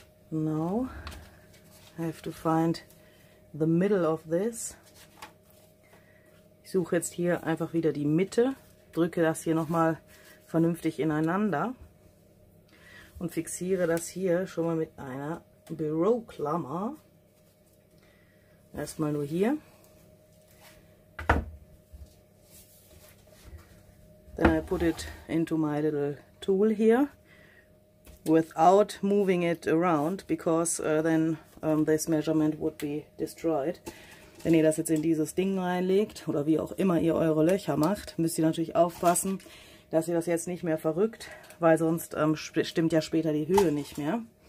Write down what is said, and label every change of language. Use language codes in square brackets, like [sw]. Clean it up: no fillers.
[en] Now I have to find the middle of this. [de] Ich suche jetzt hier einfach wieder die Mitte, drücke das hier nochmal vernünftig ineinander und fixiere das hier schon mal mit einer Büroklammer. Erstmal nur hier. [en] Then I put it into my little tool here without moving it around, because then this measurement would be destroyed. [de] Wenn ihr das jetzt in dieses Ding reinlegt oder wie auch immer ihr eure Löcher macht, müsst ihr natürlich aufpassen, dass ihr das jetzt nicht mehr verrückt, weil sonst stimmt ja später die Höhe nicht mehr.